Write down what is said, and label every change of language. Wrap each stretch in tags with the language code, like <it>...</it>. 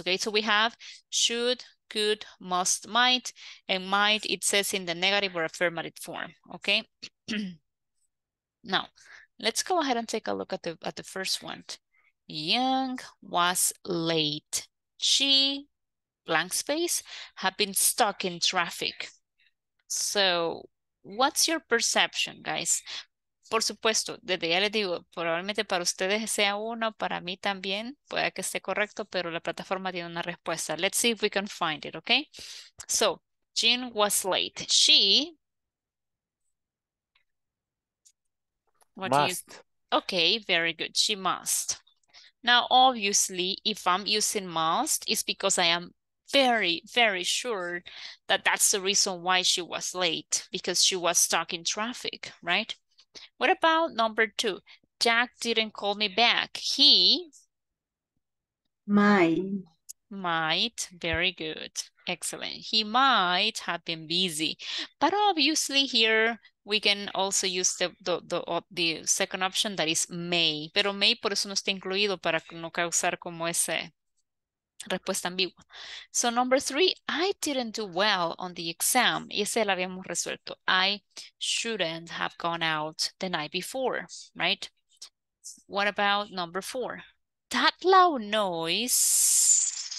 <en>Okay, so we have should, could, must, might, and might it says in the negative or affirmative form. Okay. Now let's go ahead and take a look at the first one. Young was late. She, blank space, have been stuck in traffic. So, what's your perception, guys?</en> <es>Por supuesto, desde ya les digo, probablemente para ustedes sea uno, para mí también, puede que esté correcto, pero la plataforma tiene una respuesta.</es> <en>Let's see if we can find it, okay? So, Jean was late. She... What must. Okay, very good. She must. Now, obviously, if I'm using must, it's because I am very, very sure that that's the reason why she was late, because she was stuck in traffic, right? What about number two? Jack didn't call me back. He might. Very good. Excellent. He might have been busy. But obviously here we can also use the second option, that is may.</en> <es>Pero may por eso no está incluido, para no causar como ese respuesta ambigua.</es> <en>So number three, I didn't do well on the exam.</en> <es>Y ese la habíamos resuelto.</es> <en>I shouldn't have gone out the night before, right? What about number four? That loud noise.</en>